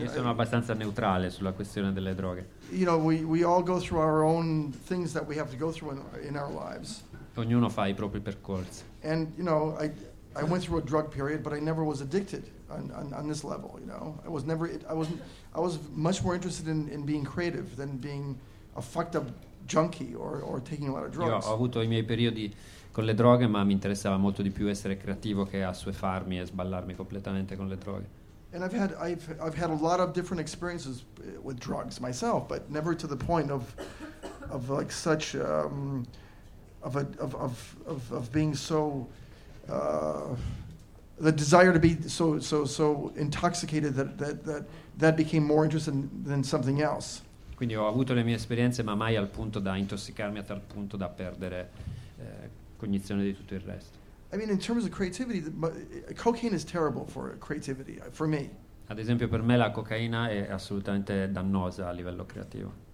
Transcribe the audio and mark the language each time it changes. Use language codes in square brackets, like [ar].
[it] io sono abbastanza neutrale sulla questione delle droghe. [en] You know, we all go through our own things that we have to go through in our lives. [it] Ognuno fa I propri percorsi. [en] And you know, I went through a drug period, but I never was addicted on this level. You know, I was much more interested in being creative than being a fucked up junkie or taking a lot of drugs. [it] Io ho avuto I miei periodi con le droghe, ma mi interessava molto di più essere creativo che assuefarmi e sballarmi completamente con le droghe. [en] And I've had a lot of different experiences with drugs myself, but never to the point of like such of being so the desire to be so intoxicated that became more interesting than something else. [it] Quindi ho avuto le mie esperienze, ma mai al punto da intossicarmi a tal punto da perdere cognizione di tutto il resto. [en] I mean, in terms of creativity, cocaine is terrible for creativity, for me. [it] Ad esempio, per me la cocaina è assolutamente dannosa a livello creativo.